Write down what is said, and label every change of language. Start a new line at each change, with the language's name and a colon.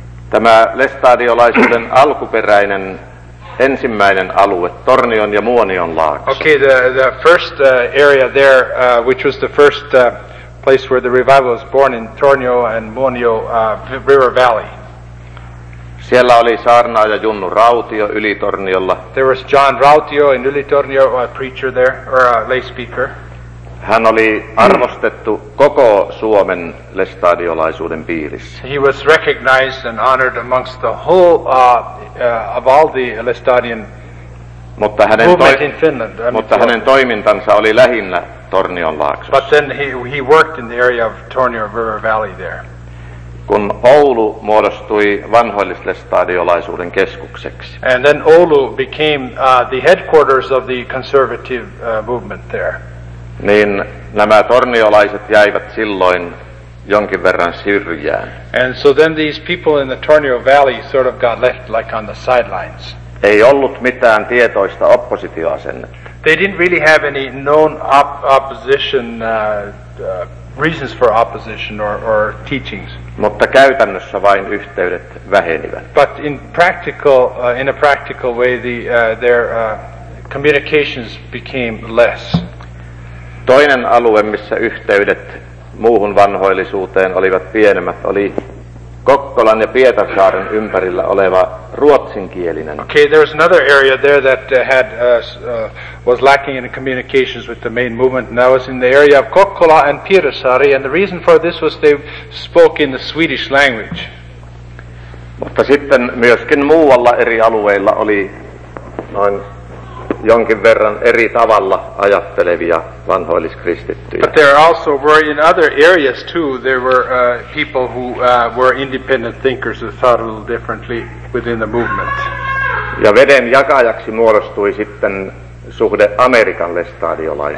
Finnish: Tämä lestadiolaisuuden alkuperäinen ensimmäinen alue, Tornion ja Muonion laakso.
English: Okay, the first area there, which was the first place where the revival was born in Tornio and Muonio River Valley.
Finnish: Siellä oli saarnaaja Junnu Rautio Ylitorniolla.
English: There was John Rautio in Ylitornio, a preacher there, or a lay speaker.
Finnish: Hän oli arvostettu koko Suomen lestadiolaisuuden piirissä.
English: He was recognized and honored amongst the whole of all the Lestadian movement in Finland.
Finnish: Mutta hänen toimintansa oli lähinnä Tornion laaksossa.
English: But then he worked in the area of Tornio River Valley there.
Finnish: Kun Oulu muodostui vanhoillislestadiolaisuuden keskukseksi.
English: And then Oulu became the headquarters of the conservative movement there.
Finnish: Niin nämä torniolaiset jäivät silloin jonkin verran syrjään.
English: And so then these people in the Tornio Valley sort of got left like on the sidelines.
Finnish: Ei ollut mitään tietoista oppositioasennetta.
English: They didn't really have any known opposition reasons for opposition or teachings.
Finnish: Mutta käytännössä vain yhteydet vähenivät.
English: But in practical in a practical way the their communications became less.
Finnish: Toinen alue, missä yhteydet muuhun vanhoillisuuteen olivat pienemmät, oli Kokkolan ja Pietarsaaren ympärillä oleva ruotsinkielinen.
English: Okay, there was another area there that had was lacking in communications with the main movement, and that was in the area of Kokkola and Pietarsaari, and the reason for this was they spoke in the Swedish language.
Finnish: Mutta sitten myöskin muualla eri alueilla oli noin jonkin verran eri tavalla ajattelevia vanhoilliskristittyjä.
English: But there also were in other areas too, there were people who were independent thinkers who thought a little differently within the movement.
Finnish: Ja veden jakajaksi muodostui sitten suhde Amerikan lestadiolaisuuteen.